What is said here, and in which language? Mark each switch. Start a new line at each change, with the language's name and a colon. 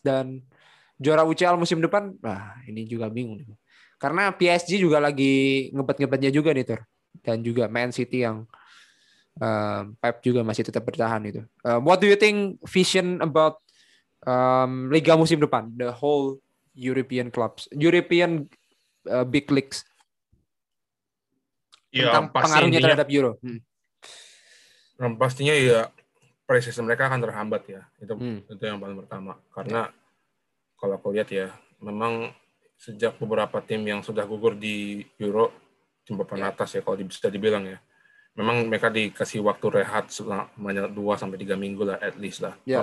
Indonesian: Dan juara UCL musim depan, nah ini juga bingung. Karena PSG juga lagi ngebet-ngebetnya juga nih, Tur. Dan juga Man City yang Pep juga masih tetap bertahan itu.
English: What do you think vision about Liga
Indonesian: musim depan?
English: The whole European clubs, European big leagues.
Indonesian: Tentang ya, pengaruhnya intinya, terhadap Euro. Pastinya ya preseason mereka akan terhambat ya. Itu yang paling pertama. Karena kalau aku lihat ya, memang sejak beberapa tim yang sudah gugur di Euro, tim papan atas ya kalau bisa dibilang ya, memang mereka dikasih waktu rehat selama 2-3 minggu lah at least lah.